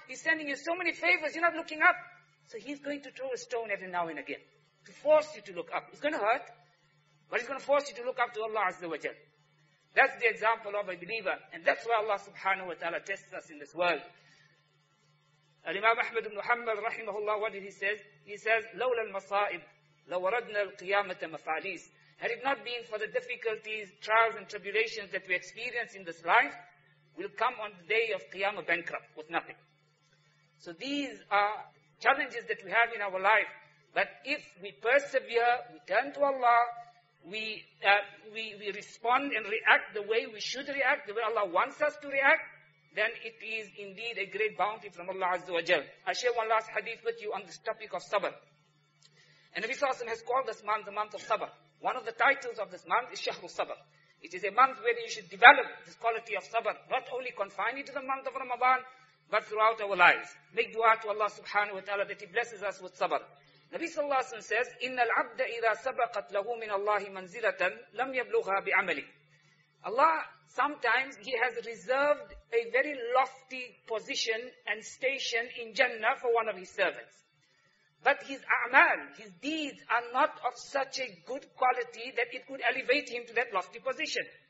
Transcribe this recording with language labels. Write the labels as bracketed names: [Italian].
[English] He's sending you so many favors. You're not looking up. So He's going to throw a stone every now and again to force you to look up. It's going to hurt, but He's going to force you to look up to Allah Azza wa Jal. That's the example of a believer. And that's why Allah subhanahu wa ta'ala tests us in this world. Al-Imam Ahmad ibn Muhammad rahimahullah, what did he say? He says, [Arabic] لَوْلَا الْمَصَائِبُ لَوَرَدْنَا الْقِيَامَةَ مَفَالِيسِ. [English] Had it not been for the difficulties, trials and tribulations that we experience in this life, we'll come on the day of Qiyamah bankrupt with nothing. So these are challenges that we have in our life. But if we persevere, we turn to Allah, we respond and react the way we should react, the way Allah wants us to react, then it is indeed a great bounty from Allah Azza wa Jal. I share one last hadith with you on this topic of sabr. And Nabi Sallallahu Alaihi Wasallam has called this month the month of sabr. One of the titles of this month is Shahru Sabr. It is a month where you should develop this quality of sabr, not only confined to the month of Ramadan, but throughout our lives. Make dua to Allah subhanahu wa ta'ala that He blesses us with sabr. Nabi sallallahu alayhi wa sallam says, [Arabic] إِنَّ الْعَبْدَ إِذَا سَبَقَتْ لَهُ مِنَ اللَّهِ مَنْزِلَةً لَمْ يَبْلُغْهَا بِعَمَلِهِ. [English] Allah, sometimes He has reserved a very lofty position and station in Jannah for one of His servants. But his a'mal, his deeds are not of such a good quality that it could elevate him to that lofty position.